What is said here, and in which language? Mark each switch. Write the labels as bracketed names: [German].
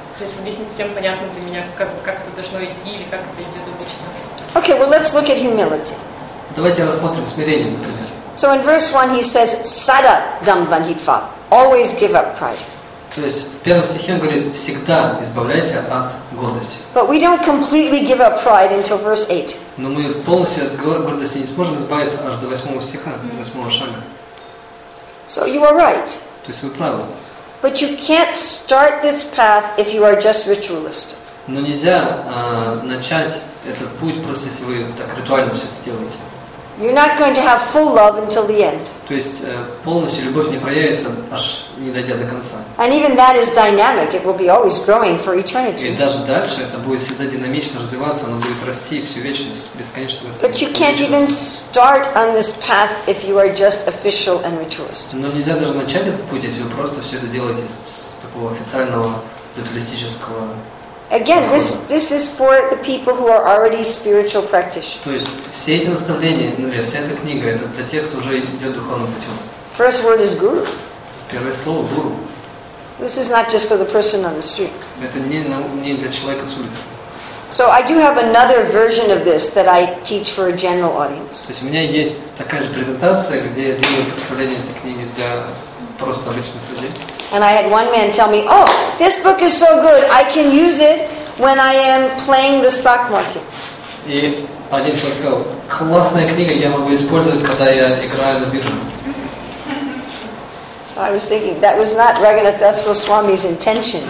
[Russian] То есть здесь не совсем понятно для меня, как это должно идти или как это идет обычно. [English] Okay, well, let's look at humility. [Russian] Давайте рассмотрим смирение, например. [English] So in verse 1 he says, Sada dhamvan hitva, always give up pride. [Russian] То есть в первом стихе он говорит, всегда избавляйся от гордости. [English] But we don't completely give up pride until verse 8. [Russian] Но мы полностью от гордости не сможем избавиться аж до 8 стиха, 8 шага. [English] So you are right. [Russian] То есть вы правы. [English] But you can't start this path if you are just ritualist. [Russian] Но нельзя начать этот путь просто если вы так ритуально все это делаете. [English] You're not going to have full love until the end. [Russian] То есть полностью любовь не проявится, аж не дойдя до конца. [English] And even that is dynamic. It will be always growing for eternity. [Russian] И даже дальше это будет всегда динамично развиваться, оно будет расти всю вечность, бесконечно расти. [English] But you can't even start on this path if you are just official and ritualist. [Russian] Но нельзя даже начать этот путь, если вы просто все это делаете с такого официального ритуалистического. [English] Again, this is for the people who are already spiritual practitioners. [Russian] То есть все эти наставления, например, вся эта книга, это для тех, кто уже идет духовным путем. [English] First word is guru. [Russian] Первое слово гуру. [English] This is not just for the person on the street. [Russian] Это не для человека с улицы. [English] So I do have another version of this that I teach for a general audience. [Russian] То есть у меня есть такая же презентация, где я делаю представление этой книги для просто обычных людей. [English] And I had one man tell me, "Oh, this book is so good. I can use it when I am playing the stock market." [Russian] И один человек сказал, "Классная книга. Я могу использовать, когда я играю на бирже." [English] So I was thinking that was not Raghunath Das Goswami's intention.